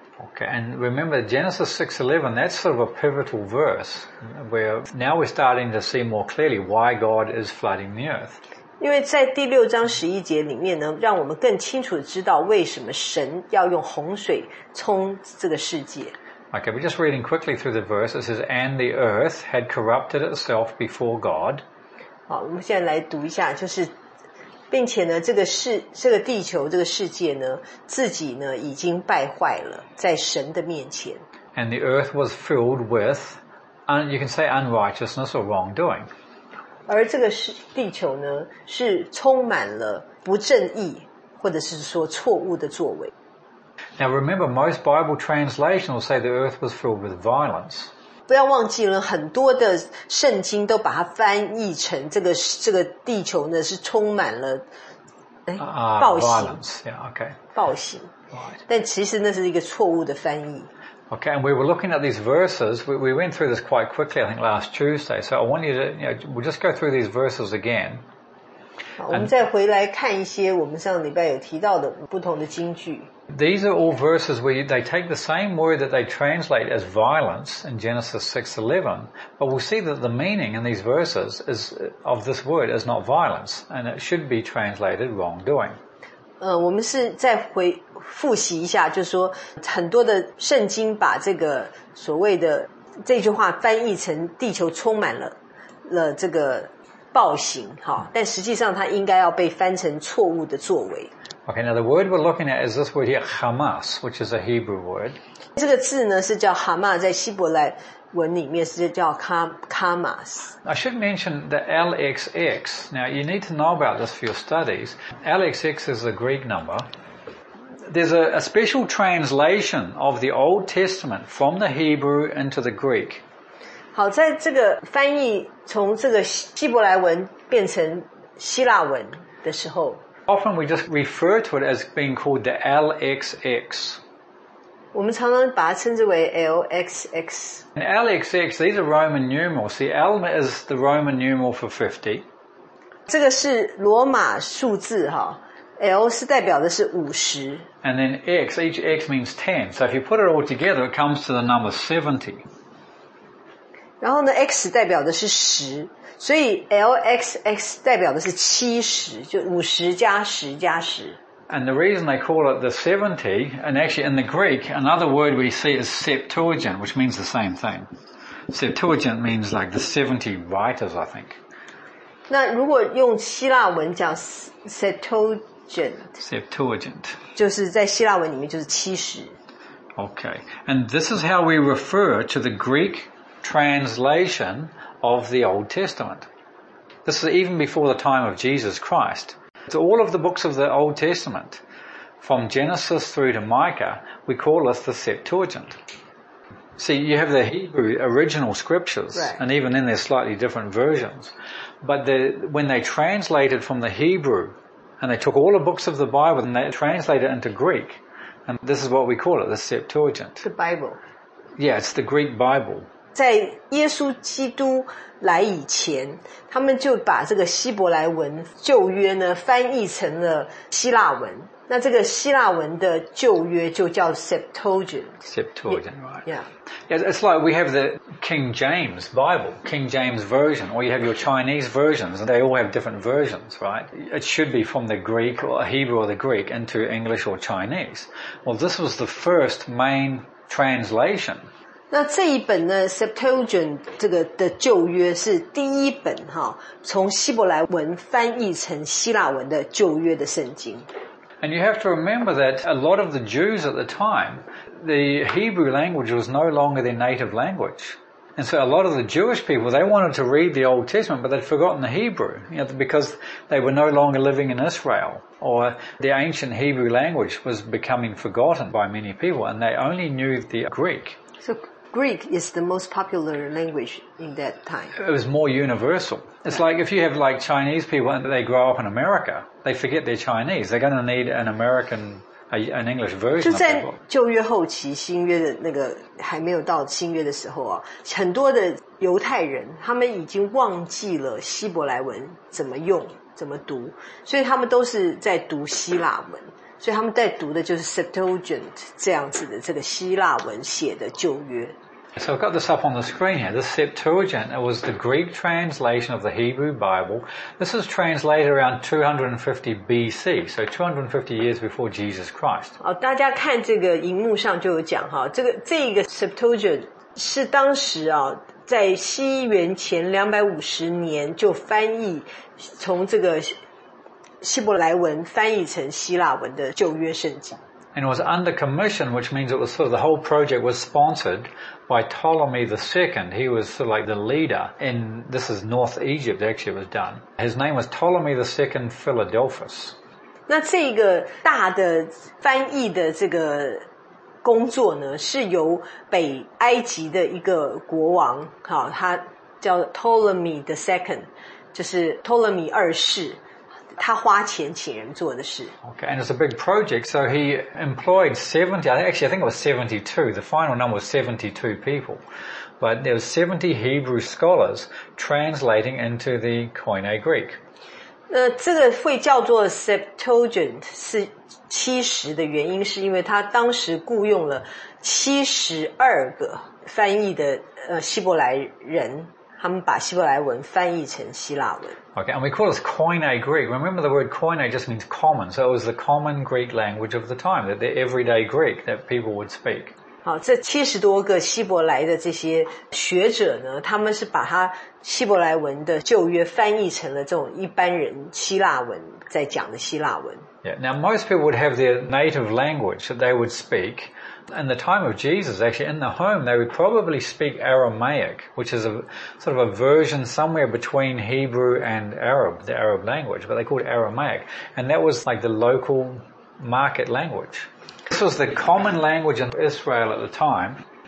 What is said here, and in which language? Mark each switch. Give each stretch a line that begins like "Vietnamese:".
English: Okay, and remember Genesis 6:11, that's sort of a pivotal verse where now we're starting to see more clearly why God is flooding the earth.
Chinese: 因为在第六章十一节里面呢，让我们更清楚知道为什么神要用洪水冲这个世界。
English: Okay, we're just reading quickly through the verse. It says, and the earth had corrupted itself before God.
Chinese: 好，我们现在来读一下，就是并且呢，这个地球，这个世界呢，自己呢已经败坏了，在神的面前。
English: And the earth was filled with, you can say unrighteousness or wrongdoing.
Chinese: 而这个地球呢，是充满了不正义，或者是说错误的作为。
English: Now remember, most Bible translations will say the earth was filled with violence.
Chinese: 不要忘记了，很多的圣经都把它翻译成这个地球呢是充满了暴行。
English: Violence, yeah, okay.
Chinese: 暴行。
English: Right.
Chinese: 但其实那是一个错误的翻译。
English: Okay, and we were looking at these verses. We went through this quite quickly, I think, last Tuesday. So I want you to, you know, we'll just go through these verses again.
Chinese: 我们再回来看一些我们上礼拜有提到的不同的经句。
English: These are all verses where they take the same word that they translate as violence in Genesis 6:11, but we'll see that the meaning in these verses is of this word is not violence, and it should be translated wrongdoing.
Chinese: 我们是再回复习一下，就是说很多的圣经把这个所谓的这句话翻译成地球充满了这个暴行，但实际上它应该要被翻成错误的作为。
English: Okay, now the word we're looking at is this word here, Hamas, which is a Hebrew word.
Chinese: 这个字呢是叫 Hama, 在希伯来文里面是叫 Hamas.
English: I should mention the LXX. Now you need to know about this for your studies. LXX is a Greek number. There's a special translation of the Old Testament from the Hebrew into the Greek.
Chinese: 好，在这个翻译从这个希伯来文变成希腊文的时候，
English: often we just refer to it as being called the LXX.
Chinese: 我们常常把它称之为 LXX.
English: And LXX, these are Roman numerals. See, L is the Roman numeral for 50.
Chinese: 这个是罗马数字哈。L 是代表的是50。
English: And then X, each X means 10. So if you put it all together, it comes to the number 70.
Chinese: 然后呢 ,X 代表的是十。所以 LXX 代表的是70，就50加10加10。
English: And the reason they call it the 70, and actually in the Greek, another word we see is Septuagint, which means the same thing. Septuagint means like the 70 writers, I think.
Chinese: 那如果用希腊文讲 Septuagint, Septuagint. 就是在希腊文里面就是70。
English: Okay, and this is how we refer to the Greek translation of the Old Testament. This is even before the time of Jesus Christ. So all of the books of the Old Testament, from Genesis through to Micah, we call this the Septuagint. See, you have the Hebrew original scriptures, right. And even then they're slightly different versions. But when they translated from the Hebrew, and they took all the books of the Bible and they translated it into Greek, and this is what we call it, the Septuagint. The Bible. Yeah, it's the Greek Bible.
Chinese: 在耶稣基督来以前，他们就把这个希伯来文旧约呢翻译成了希腊文。那这个希腊文的旧约就叫 Septuagint。
English: Septuagint, right? Yeah. Yeah, it's like we have the King James Bible, King James Version, or you have your Chinese versions, and they all have different versions, right? It should be from the Greek or Hebrew or the Greek into English or Chinese. Well, this was the first main translation.
Chinese: 那这一本呢 Septuagint 这个的旧约是第一本从希伯来文翻译成希腊文的旧约的圣经。
English: And you have to remember that a lot of the Jews at the time, the Hebrew language was no longer their native language. And so a lot of the Jewish people, they wanted to read the Old Testament, but they'd forgotten the Hebrew, you know, because they were no longer living in Israel, or the ancient Hebrew language was becoming forgotten by many people, and they only knew the Greek. So Greek is the most popular language in that time. It was more universal. It's like if you have like Chinese people and they grow up in America, they forget they're Chinese. They're going to need an American, an English version.
Chinese: 就在旧约后期，新约的那个还没有到新约的时候啊，很多的犹太人他们已经忘记了希伯来文怎么用、怎么读，所以他们都是在读希腊文。所以他们在读的就是 Septuagint 这样子的这个希腊文写的旧约。
English: So I've got this up on the screen here. The Septuagint, it was the Greek translation of the Hebrew Bible. This is translated around 250 BC, so 250 years before Jesus Christ.
Chinese: 大家看这个荧幕上就有讲，这个 Septuagint 是当时啊，在西元前250年就翻译从这个希伯来文翻译成希腊文的旧约圣经。
English: And it was under commission, which means it was sort of the whole project was sponsored by Ptolemy II. He was sort of like the leader, and this is North Egypt, actually it was done. His name was Ptolemy II Philadelphus.
Chinese: 那这个大的翻译的这个工作呢，是由北埃及的一个国王，好，他叫 Ptolemy II, 就是托勒密二世。他花钱请人做的事。
English: Okay, and it's a big project, so he employed 70, actually I think it was 72, the final number was 72 people. But there were 70 Hebrew scholars translating into the Koine Greek.
Chinese: 这个会叫做 Septuagint, 是70的原因是因为他当时雇用了72个翻译的希伯来人。他们把希伯来文翻译成希腊文。
English: Okay, and we call this Koine Greek. Remember the word Koine just means common. So it was the common Greek language of the time, the everyday Greek that people would speak.
Chinese: 好，这70多个希伯来的这些学者呢，他们是把他希伯来文的旧约翻译成了这种一般人希腊文在讲的希腊文。
English: Yeah, now most people would have their native language that they would speak. In the time of Jesus, actually, in the home, they would probably speak Aramaic, which is a sort of a version somewhere between Hebrew and Arab, the Arab language, but they called it Aramaic. And that was like the local market language. This was the common language in Israel at the time.